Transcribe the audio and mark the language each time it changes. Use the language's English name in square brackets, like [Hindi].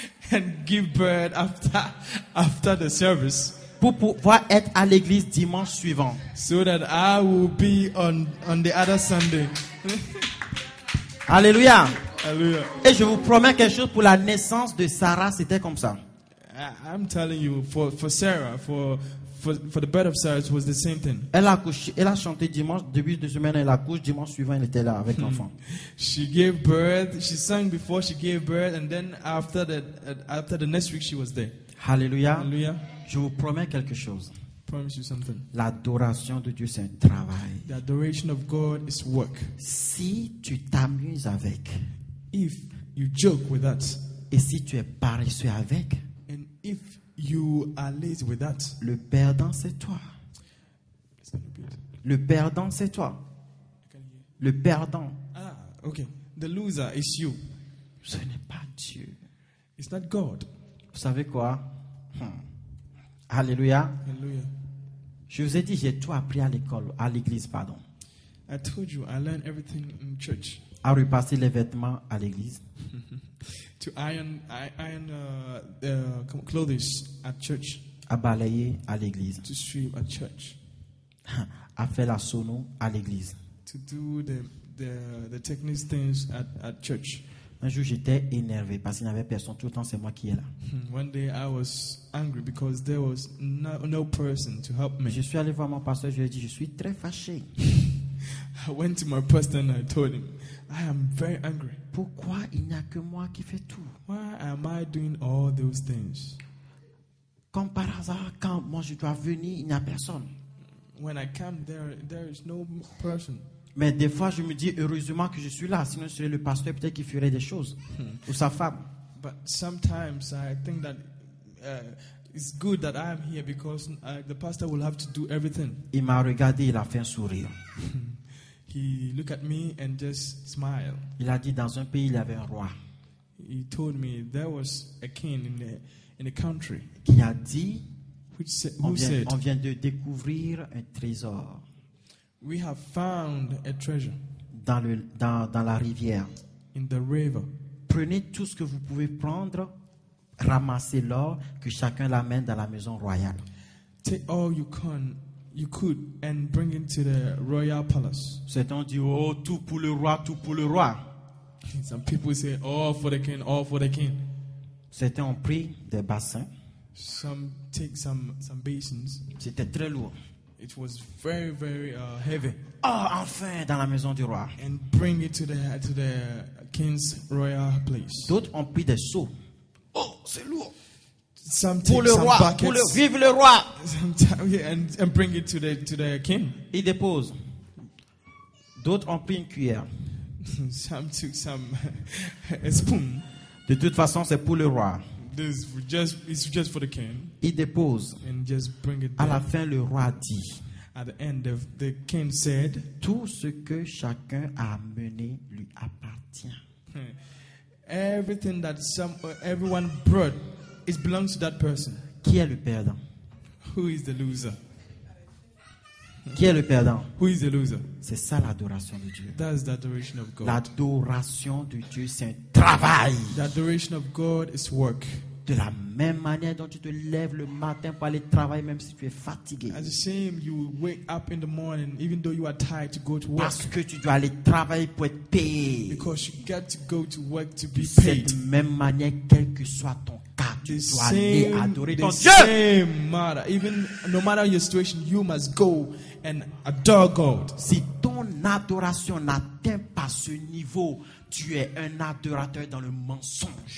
[English] And give birth after the service. [French] Pour pouvoir être à l'église dimanche suivant. [English] So that I will be on the other Sunday. [French] Alléluia. Alléluia. Et je vous promets quelque chose pour la naissance de Sarah, c'était comme ça. [English] I'm telling you for Sarah, for the birth of Sarah, it was the same thing. [French] Elle a chanté dimanche début de semaine, elle accouche dimanche suivant, elle était là avec l'enfant. [English] She gave birth, she sang before she gave birth and then after the next week she was there. [French] Alléluia. Alléluia. Je vous promets quelque chose. [English] Promise you something. [French] L'adoration de Dieu, c'est un travail. [English] The adoration of God is work. [French] Si tu t'amuses avec, [English] if you joke with that, [French] et si tu es paresseux avec, [English] and if you are lazy with that, [French] le perdant c'est toi. Le perdant c'est toi. Le perdant. [English] Ah, okay. The loser is you. [French] Ce n'est pas Dieu. [English] It's not God. [French] Vous savez quoi? Alléluia. Alléluia. Je vous ai dit, j'ai tout appris à l'école, à l'église, pardon. [English] I told you, I learned everything in church. [French] À repasser les vêtements à l'église. [English] To iron the clothes at church. [French] À balayer à l'église. [English] To sweep at church. [French] À faire la sono à l'église. [English] To do the technical things at church. [French] Un jour, j'étais énervé parce qu'il n'y avait personne. Tout le temps, c'est moi qui est là. [English] One day, I was angry because there was no person to help me. [French] Je suis allé voir mon pasteur. Je lui ai dit, je suis très fâché. [English] I went to my pastor and I told him, I am very angry. [French] Pourquoi il n'y a que moi qui fais tout? [English] Why am I doing all those things? [French] Comme par hasard, quand moi je dois venir, il n'y a personne. [English] When I come there, there is no person. [French] Mais des fois, je me dis, heureusement que je suis là, sinon serait le pasteur, peut-être qu'il ferait des choses ou sa femme. [English] But sometimes I think that it's good that I am here because the pastor will have to do everything. [French] Il m'a regardé, il a fait un sourire. [English] He looked at me and just smiled. [French] Il a dit, dans un pays, il y avait un roi. [English] He told me there was a king in the country. [French] Qui a dit, [English] who said, [French] on vient de découvrir un trésor. [English] We have found a treasure [French] dans la rivière. [English] In the river. [French] Prenez tout ce que vous pouvez prendre, ramassez l'or, que chacun l'amène dans la maison royale. [English] Take all you could and bring it to the royal palace. [French] Certains disent, oh, tout pour le roi, tout pour le roi. [English] Some people say, all for the king, all for the king. [French] Certains ont pris des bassins. [English] Some take some basins. [French] C'était très lourd. [English] It was very, very heavy. [French] Oh, enfin, dans la maison du roi. [English] And bring it to the king's royal place. [French] D'autres ont pris des seaux. Oh, c'est lourd. [English] Some [French] pour le roi, [English] some [French] pour le vive le roi. [English] And bring it to the king. [French] Il dépose. D'autres ont pris une cuillère. [English] Some took some a spoon. [French] De toute façon, c'est pour le roi. [English] This it's just for the king. [French] Il dépose. [English] And just bring it [French] à la fin, le roi dit. [English] At the end, the king said, [French] tout ce que chacun a amené lui appartient. [English] Everything that everyone brought, it belongs to that person. [French] Qui est le perdant? [English] Who is the loser? [French] Qui est le perdant? [English] Who is the loser? [French] C'est ça l'adoration de Dieu. [English] That's the adoration of God. [French] L'adoration de Dieu, c'est un travail. [English] The adoration of God is work. [French] De la même manière dont tu te lèves le matin pour aller travailler, même si tu es fatigué. [English] As the same, you wake up in the morning, even though you are tired to go to work. [French] Parce que tu dois aller travailler pour être payé. [English] Because you get to go to work to be [French] cette [English] paid. [French] De la même manière, quel que soit ton cas, tu dois aller adorer ton Dieu. [English] The same matter, even no matter your situation, you must go and adore God. [French] Si ton adoration n'atteint pas ce niveau, tu es un adorateur dans le mensonge.